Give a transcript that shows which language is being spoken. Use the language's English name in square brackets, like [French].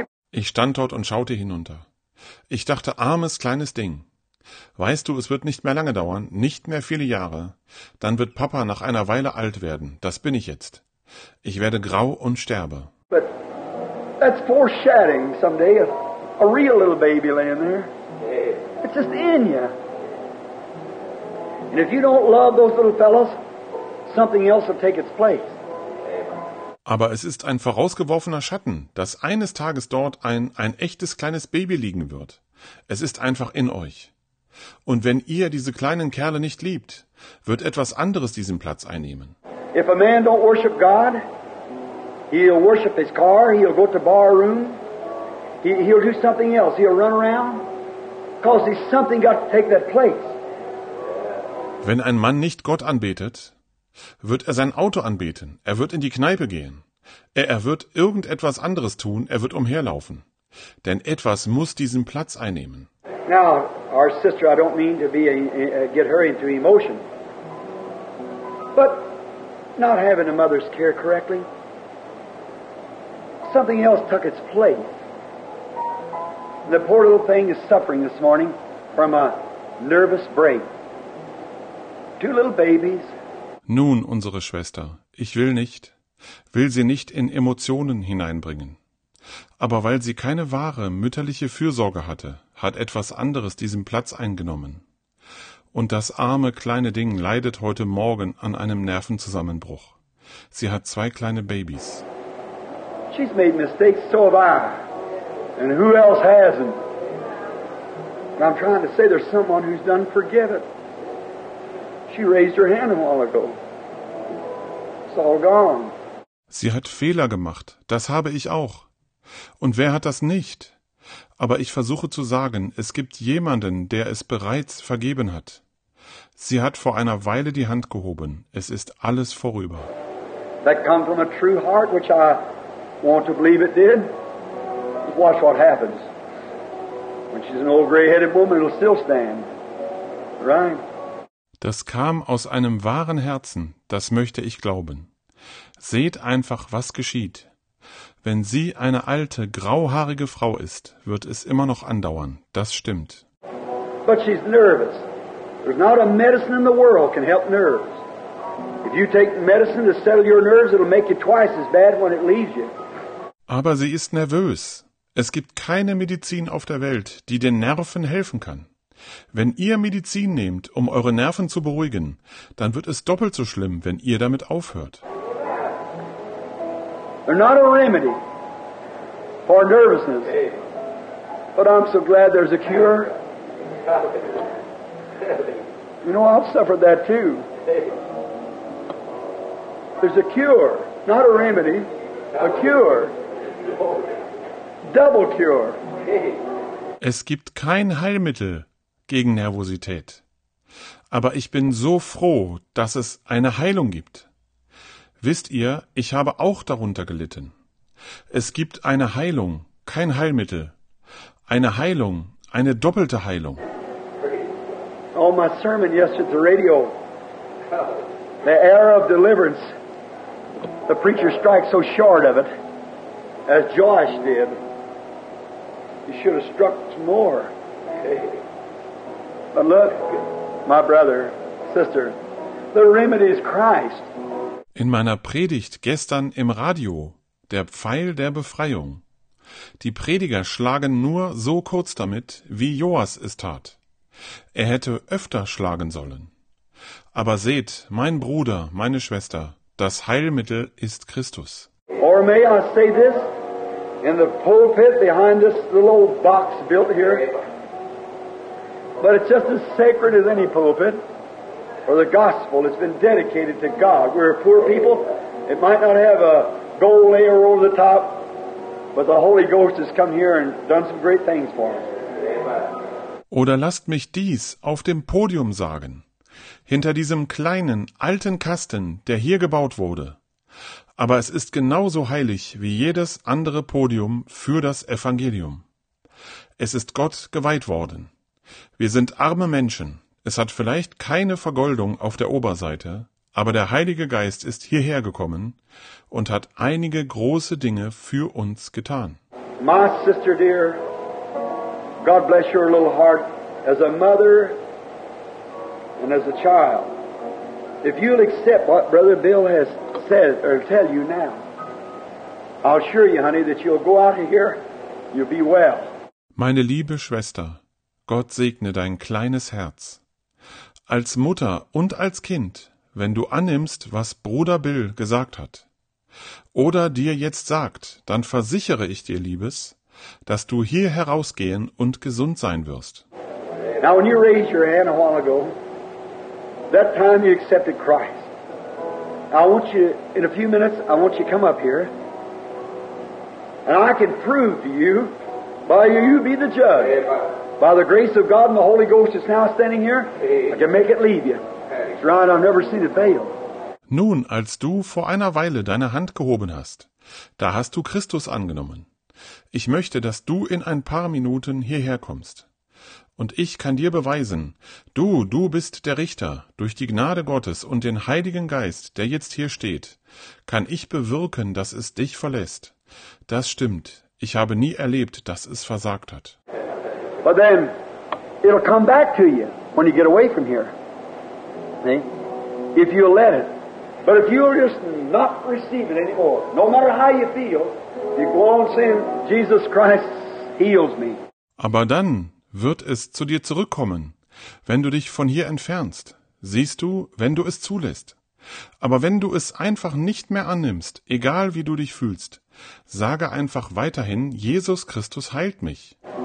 [German] Ich stand dort und schaute hinunter. Ich dachte, armes, kleines Ding. Weißt du, es wird nicht mehr lange dauern, nicht mehr viele Jahre. Dann wird Papa nach einer Weile alt werden. Das bin ich jetzt. Ich werde grau und sterbe. [English] That's foreshadowing someday, a real little baby laying there. It's just in you. And if you don't love those little fellows, something else will take its place. [German] Aber es ist ein vorausgeworfener Schatten, dass eines Tages dort ein echtes kleines Baby liegen wird. Es ist einfach in euch. Und wenn ihr diese kleinen Kerle nicht liebt, wird etwas anderes diesen Platz einnehmen. [English] If a man don't worship God, he'll worship his car, he'll go to bar room, he'll do something else, he'll run around, because there's something got to take that place. [German] Wenn ein Mann nicht Gott anbetet, wird er sein Auto anbeten, er wird in die Kneipe gehen, er wird irgendetwas anderes tun, er wird umherlaufen, denn etwas muss diesen Platz einnehmen. [English] Now, our sister, I don't mean to be get her into emotion, but not having a mother's care correctly, something else took its place. The poor little thing is suffering this morning from a nervous break. Two little babies. [German] Nun, unsere Schwester, ich will sie nicht in Emotionen hineinbringen. Aber weil sie keine wahre mütterliche Fürsorge hatte, hat etwas anderes diesen Platz eingenommen. Und das arme kleine Ding leidet heute Morgen an einem Nervenzusammenbruch. Sie hat zwei kleine Babys. [English] She's made mistakes, so have I. And who else hasn't? But I'm trying to say there's someone who's done forgiven. She raised her hand a while ago. It's all gone. [German] Sie hat Fehler gemacht. Das habe ich auch. Und wer hat das nicht? Aber ich versuche zu sagen, es gibt jemanden, der es bereits vergeben hat. Sie hat vor einer Weile die Hand gehoben. Es ist alles vorüber. [English] That come from a true heart, which I want to believe it did. Watch what happens. When she's an old gray-headed woman, it'll still stand. Right? [German] Das kam aus einem wahren Herzen, das möchte ich glauben. Seht einfach, was geschieht. Wenn sie eine alte, grauhaarige Frau ist, wird es immer noch andauern. Das stimmt. [English] But she's nervous. There's not a medicine in the world can help nerves. If you take medicine to settle your nerves, it'll make you twice as bad when it leaves you. [German] Aber sie ist nervös. Es gibt keine Medizin auf der Welt, die den Nerven helfen kann. Wenn ihr Medizin nehmt, um eure Nerven zu beruhigen, dann wird es doppelt so schlimm, wenn ihr damit aufhört. [English] They're not a remedy for nervousness. But I'm so glad there's a cure. You know, I've suffered that too. There's a cure, not a remedy, a cure. Double cure. [German] Es gibt kein Heilmittel gegen Nervosität. Aber ich bin so froh, dass es eine Heilung gibt. Wisst ihr, ich habe auch darunter gelitten. Es gibt eine Heilung, kein Heilmittel. Eine Heilung, eine doppelte Heilung. [English] Oh, my sermon yesterday at the radio. The hour of deliverance. The preacher strikes so short of it, as Josh did. He should have struck more. But look, my brother, sister, the remedy is Christ. [German] In meiner Predigt gestern im Radio, der Pfeil der Befreiung. Die Prediger schlagen nur so kurz damit, wie Joas es tat. Er hätte öfter schlagen sollen. Aber seht, mein Bruder, meine Schwester, das Heilmittel ist Christus. [English] Or may I say this, in the pulpit behind this little old box built here, but it's just as sacred as any pulpit. Or the gospel has been dedicated to God. We're poor people. It might not have a gold layer over the top, but the Holy Ghost has come here and done some great things for us. [German] Oder lasst mich dies auf dem Podium sagen. Hinter diesem kleinen, alten Kasten, der hier gebaut wurde. Aber es ist genauso heilig wie jedes andere Podium für das Evangelium. Es ist Gott geweiht worden. Wir sind arme Menschen. Es hat vielleicht keine Vergoldung auf der Oberseite, Aber der Heilige Geist ist hierher gekommen und hat einige große Dinge für uns getan. [English] My sister dear, God bless your little heart as a mother and as a child. If you'll accept what Brother Bill has said or tell you now, I'll assure you, honey, that you'll go out of here, you'll be well. [German] Meine liebe Schwester, Gott segne dein kleines Herz. Als Mutter und als Kind, wenn du annimmst, was Bruder Bill gesagt hat, oder dir jetzt sagt, dann versichere ich dir, Liebes, dass du hier herausgehen und gesund sein wirst. [English] Now when you raised your hand a while ago, that time you accepted Christ. I want you, in a few minutes, I want you to come up here, and I can prove to you, by you be the judge. By the grace of God and the Holy Ghost is now standing here, I can make it leave you. It's right, I've never seen it fail. [German] Nun, als du vor einer Weile deine Hand gehoben hast, da hast du Christus angenommen. Ich möchte, dass du in ein paar Minuten hierher kommst. Und ich kann dir beweisen, du bist der Richter. Durch die Gnade Gottes und den Heiligen Geist, der jetzt hier steht, kann ich bewirken, dass es dich verlässt. Das stimmt. Ich habe nie erlebt, dass es versagt hat. [English] But then, it'll come back to you when you get away from here. See? If you'll let it. But if you'll just not receive it anymore, no matter how you feel, you go on saying, Jesus Christ heals me. [German] Aber dann wird es zu dir zurückkommen, wenn du dich von hier entfernst. Siehst du, wenn du es zulässt. Aber wenn du es einfach nicht mehr annimmst, egal wie du dich fühlst, sage einfach weiterhin, Jesus Christus heilt mich.